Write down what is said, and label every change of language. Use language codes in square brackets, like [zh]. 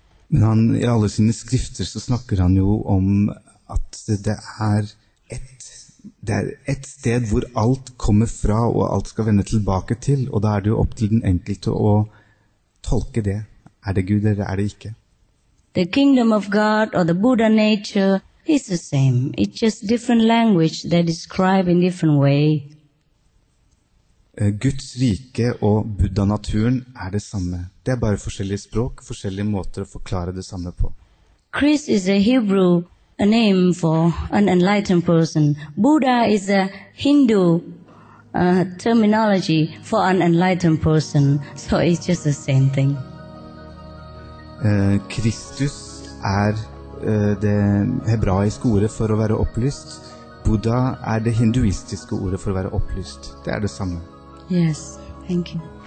[no] Men han, i alle sine skrifter så snakker han jo om at det er et sted hvor alt kommer fra og alt skal vende tilbake til, og da det jo opp til den enkelte å tolke det. Det Gud eller det ikke? [en] The kingdom of God or the Buddha nature It's the same. It's just different language that describe in different way. [no] Guds rike og Buddha-naturen er det samme. Det er bare forskjellige språk, forskjellige måter å forklare det samme på. [en] Chris is a Hebrew name for an enlightened person. Buddha is a Hindu terminology for an enlightened person. So it's just the same thing. [no] Kristus er det hebraiske ordet for å være opplyst. Buddha er det hinduistiske ordet for å være opplyst. Det er det samme. [en] Yes, thank you.